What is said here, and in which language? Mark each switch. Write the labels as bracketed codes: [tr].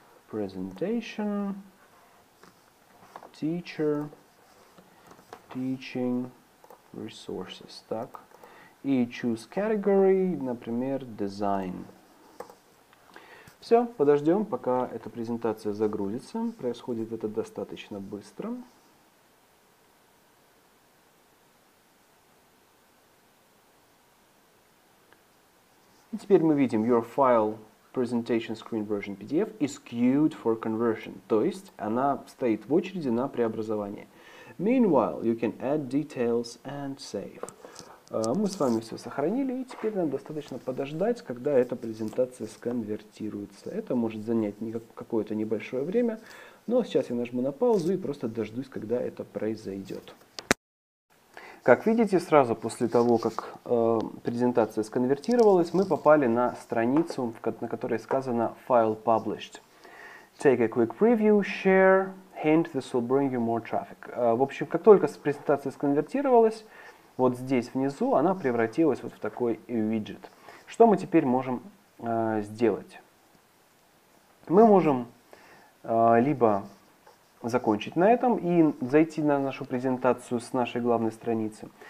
[en] Presentation, teacher, teaching, resources. [ru] Так. [en] И choose category, например, design. [ru] Все, подождем, пока эта презентация загрузится. Происходит это достаточно быстро. Теперь мы видим [en] your file presentation screen version PDF is queued for conversion. [ru] То есть она стоит в очереди на преобразование. [en] Meanwhile, you can add details and save. [ru] Мы с вами все сохранили, и теперь нам достаточно подождать, когда эта презентация сконвертируется. Это может занять какое-то небольшое время, но сейчас я нажму на паузу и просто дождусь, когда это произойдет. Как видите, сразу после того, как презентация сконвертировалась, мы попали на страницу, на которой сказано [en] «File published». Take a quick preview, share, hint, this will bring you more traffic. [ru] В общем, как только презентация сконвертировалась, вот здесь внизу она превратилась вот в такой виджет. Что мы теперь можем сделать? Мы можем либо закончить на этом и зайти на нашу презентацию с нашей главной страницы.